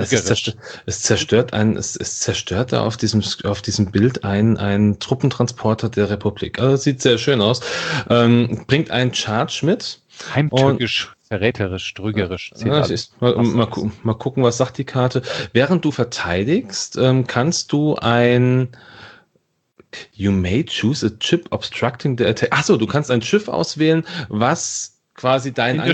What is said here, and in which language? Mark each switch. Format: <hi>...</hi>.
<de>Es zerstört da auf diesem Bild einen Truppentransporter der Republik. Also sieht sehr schön aus. Bringt einen Charge mit. Heimtückisch verräterisch, trügerisch. Mal gucken, was sagt die Karte. Während du verteidigst, kannst du ein...</de> <en>You may choose a chip obstructing the attack.</en> <de>Achso, du kannst ein Schiff auswählen, was quasi dein</de>